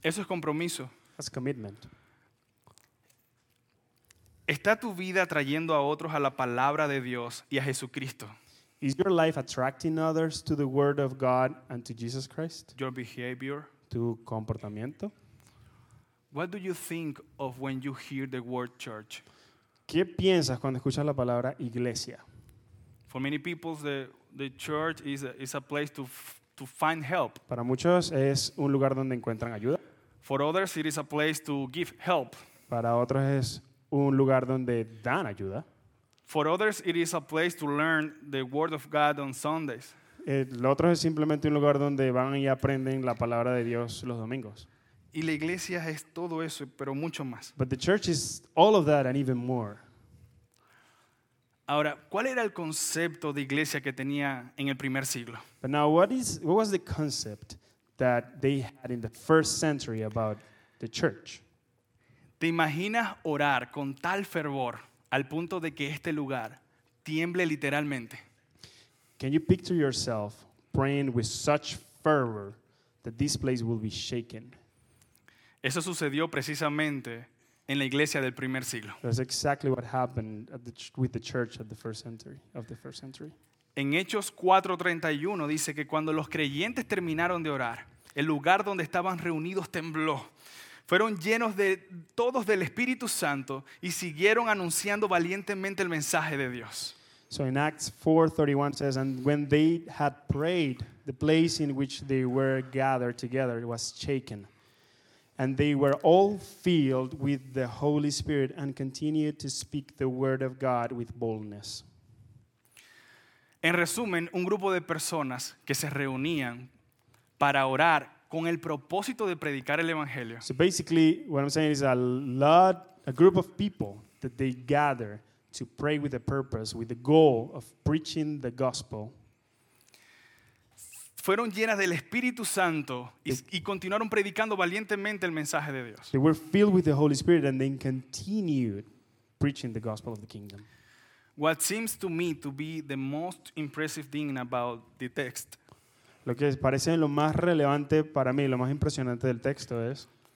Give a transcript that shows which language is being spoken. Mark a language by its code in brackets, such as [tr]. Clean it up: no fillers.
[es] Eso es compromiso. [en] That's commitment. [es] ¿Está tu vida atrayendo a otros a la palabra de Dios y a Jesucristo? [en] Is your life attracting others to the word of God and to Jesus Christ? Your behavior? [es] Tu comportamiento? [en] What do you think of when you hear the word church? [es] ¿Qué piensas cuando escuchas la palabra iglesia? [en] For many people, the church is a place to find help. [es] Para muchos es un lugar donde encuentran ayuda. [en] For others, it is a place to give help. [es] Para otros es un lugar donde dan ayuda. [en] For others, it is a place to learn the word of God on Sundays. [es] El otro es simplemente un lugar donde van y aprenden la palabra de Dios los domingos. Y la iglesia es todo eso, pero mucho más. [en] But the church is all of that and even more. [es] Ahora, ¿cuál era el concepto de iglesia que tenía en el primer siglo? [en] But now, what was the concept that they had in the first century about the church? [es] ¿Te imaginas orar con tal fervor al punto de que este lugar tiemble literalmente? [en] Can you picture yourself praying with such fervor that this place will be shaken? [es] Eso sucedió precisamente en la iglesia del primer siglo. [en] That's exactly what happened with the church of the first century. [es] En Hechos 4:31 dice que cuando los creyentes terminaron de orar, el lugar donde estaban reunidos tembló. Fueron llenos de todos del Espíritu Santo y siguieron anunciando valientemente el mensaje de Dios. [en] So in Acts 4:31 says, and when they had prayed, the place in which they were gathered together was shaken. And they were all filled with the Holy Spirit and continued to speak the word of God with boldness. [es] En resumen, un grupo de personas que se reunían para orar con el propósito de predicar el evangelio. [en] So basically, what I'm saying is a group of people that they gather to pray with a purpose, with the goal of preaching the gospel. [es] Fueron llenas del Espíritu Santo y continuaron predicando valientemente el mensaje de Dios. [en] They were filled with the Holy Spirit and they continued preaching the gospel of the kingdom. What seems to me to be the most impressive thing about the text. [es] Lo que parece lo más relevante para mí, lo más impresionante del texto es.